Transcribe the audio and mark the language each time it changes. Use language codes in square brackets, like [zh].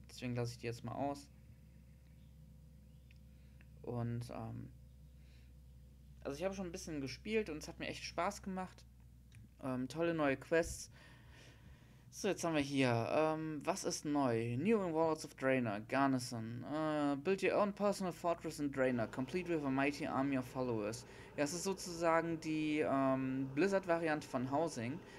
[de] Deswegen lasse ich die jetzt mal aus. Und, also ich habe schon ein bisschen gespielt und es hat mir echt Spaß gemacht. Tolle neue Quests. So, jetzt haben wir hier, was ist neu? [en] New in Warlords of Draenor, Garnison. Build your own personal fortress in Draenor, complete with a mighty army of followers. [de] Ja, es ist sozusagen die Blizzard-Variante von Housing.